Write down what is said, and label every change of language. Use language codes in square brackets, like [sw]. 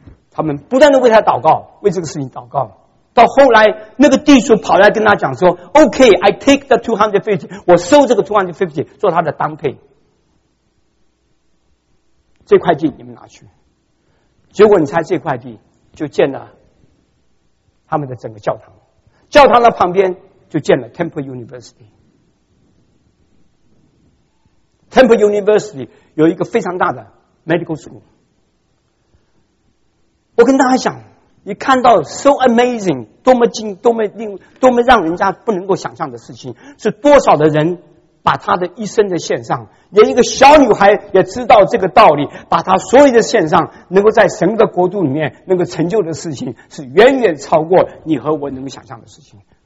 [zh] 他们不断地为他祷告，为这个事情祷告。到后来那个地主跑来跟他讲说 [en] OK， I take the 250， [zh] 我收这个250做他的当配，这块地你们拿去。结果你猜这块地就建了他们的整个教堂，教堂的旁边就建了 Temple University。 Temple University 有一个非常大的 [en] medical school。 [zh] 我跟大家讲，你看到 [en] so amazing， [zh] 多么惊，多么让人家不能够想象的事情，是多少的人把他的一生的献上，连一个小女孩也知道这个道理，把他所有的献上，能够在神的国度里面能够成就的事情，是远远超过你和我能够想象的事情。